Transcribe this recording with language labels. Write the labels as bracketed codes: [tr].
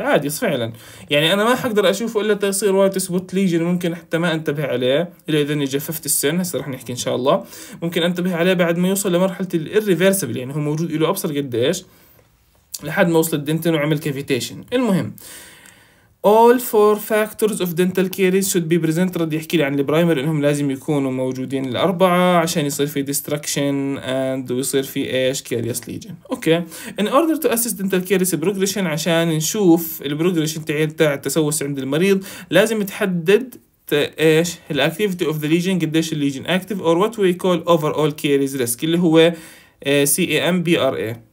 [ar] عادي فعلا، يعني انا ما حقدر اشوفه الا تصير وايت سبوت ليجن، ممكن حتى ما انتبه عليه الا اذا اني جففت السن، هسه رح نحكي ان شاء الله، ممكن انتبه عليه بعد ما يوصل لمرحله الريفرسبل، يعني هو موجود له ابصر قديش لحد ما وصل الدنتن وعمل كافيتيشن. المهم [en] all four factors of dental caries should be present. [ar] رد يحكي لي عن البرايمر انهم لازم يكونوا موجودين الاربعة عشان يصير في [en] destruction and [ar] ويصير في ايش caries lesion. اوكي okay. [en] In order to assess dental caries progression [ar] عشان نشوف البروجريشن تاع التسوس عند المريض لازم تحدد ايش [en] الاكتيفيتي of the lesion قديش الليجن active or what we call overall caries risk [ar] اللي هو [en] C A M B R A.